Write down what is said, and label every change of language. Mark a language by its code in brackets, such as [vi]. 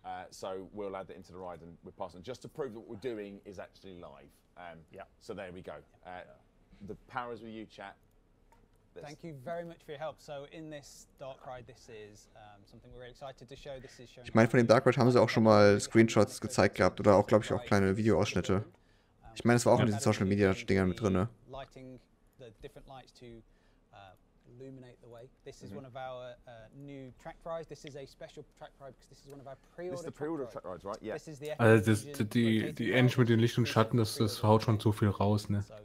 [en] So we'll add that into the ride and we're passing. Just to prove that what we're doing is actually live. So there we go. The power is with you, chat. Thank you very much for your help. So in this dark ride, this is something we're excited to show. This is showing. [de] Ich meine, von dem Dark Ride haben sie auch schon mal Screenshots gezeigt gehabt oder auch, glaube ich, auch kleine Videoausschnitte. Ich meine, es war auch in diesen Social Media Dingern mit drinne. [en] Lighting the different lights to illuminate the way. This is one of our new track rides. This is a special track ride because this is one of our pre-order. This is the pre-order track rides, right? Yeah. This is the. [de] Also das, die Engine mit den Licht und Schatten, das haut schon zu viel raus, ne?